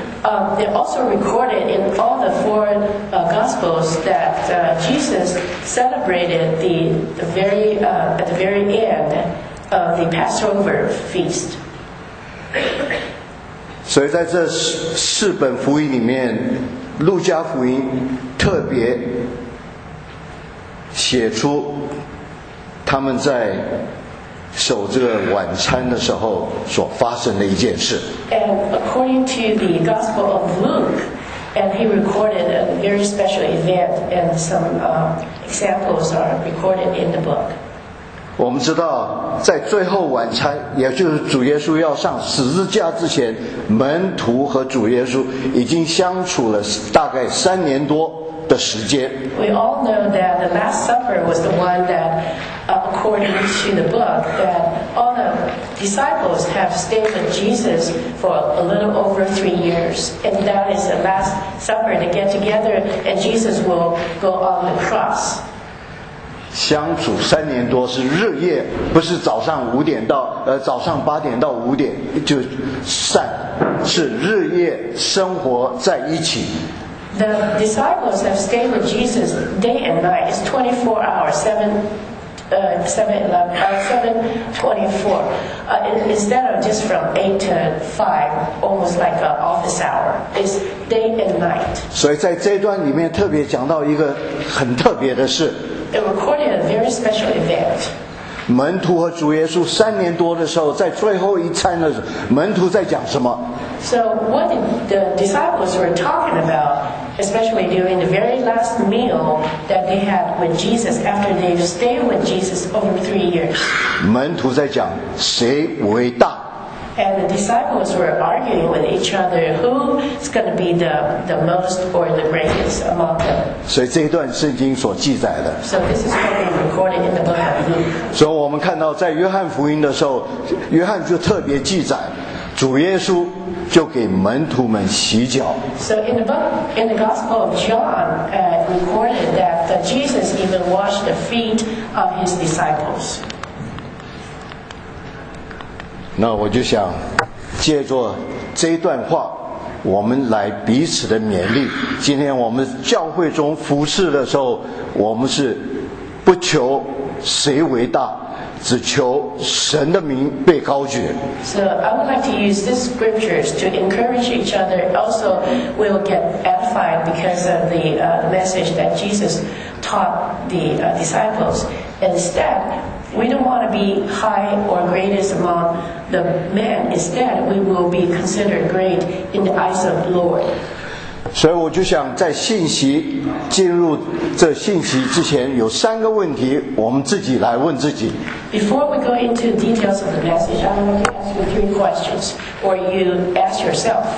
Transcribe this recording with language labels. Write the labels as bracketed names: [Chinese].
[English] They also recorded in all the four gospels that Jesus celebrated at the very end of the Passover feast. [Chinese] 所以在这四本福音里面，路加福音特别写出。他们在守这个晚餐的时候所发生的一件事。 [English] And according to the Gospel of Luke, and he recorded a very special event, and some examples are recorded in the book. [Chinese] 我们知道，在最后晚餐，也就是主耶稣要上十字架之前，门徒和主耶稣已经相处了大概三年多。的时间。 [English] We all know that the Last Supper was the one that, according to the book, that all the disciples have stayed with Jesus for a little over 3 years, and that is the Last Supper to get together, and Jesus will go on the cross. [Chinese] 相处三年多是日夜，不是早上五点到早上八点到五点就散，是日夜生活在一起。 [English] The disciples have stayed with Jesus day and night. It's 24 hours, 7:24. Instead of just from 8 to 5, almost like an office hour. It's day and night. [Chinese] 所以在这段里面特别讲到一个很特别的事。 [English] It recorded a very special event. [Chinese] 门徒和主耶稣三年多的时候，在最后一餐的时候，门徒在讲什么 [English] ？So what the disciples were talking about, especially during the very last meal that they had with Jesus after they stayed with Jesus over 3 years. [Chinese] 门徒在讲谁伟大 [English] ？And the disciples were arguing with each other who is going to be the most or the greatest among them. [Chinese] 所以这一段圣经所记载的。 [English] So this is what they recorded in the book of Luke. [Chinese] 所以我们看到在约翰福音的时候，约翰就特别记载，主耶稣就给门徒们洗脚。 [English] So in the Gospel of John, recorded that Jesus even washed the feet of his disciples. [Chinese] 那我就想借着这段话，我们来彼此的勉励。今天我们教会中服事的时候，我们是不求。谁伟大，只求神的名被高举。 [English] So I would like to use these scriptures to encourage each other. Also, we will get edified because of the message that Jesus taught the disciples. Instead, we don't want to be high or greatest among the men. Instead, we will be considered great in the eyes of the Lord. [Chinese] 所以我就想在信息进入这信息之前，有三个问题我们自己来问自己。 [English] Before we go into the details of the message, I want to ask you three questions, or you ask yourself.